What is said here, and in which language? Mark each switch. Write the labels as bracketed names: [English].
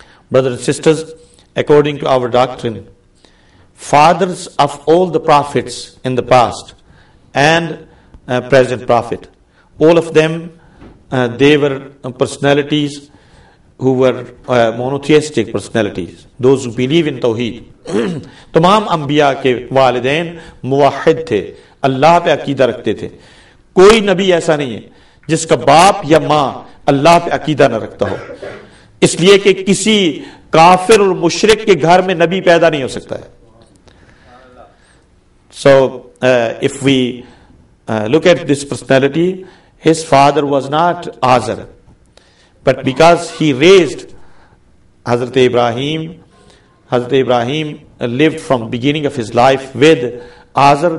[English] Brothers and sisters, according to our doctrine, fathers of all the prophets in the past and present prophet, all of them, they were personalities who were monotheistic personalities, those who believe in Tawheed. [Urdu] تمام انبیاء کے والدین موحد تھے, اللہ پہ عقیدہ رکھتے تھے. کوئی نبی ایسا نہیں ہے جس کا باپ یا ماں اللہ پہ عقیدہ نہ رکھتا ہو. اس لیے کہ کسی کافر اور مشرک کے گھر میں نبی پیدا نہیں ہو سکتا ہے. [English] So if we look at this personality, his father was not Azar, but because he raised Hazrat Ibrahim, Hazrat Ibrahim lived from beginning of his life with Azar.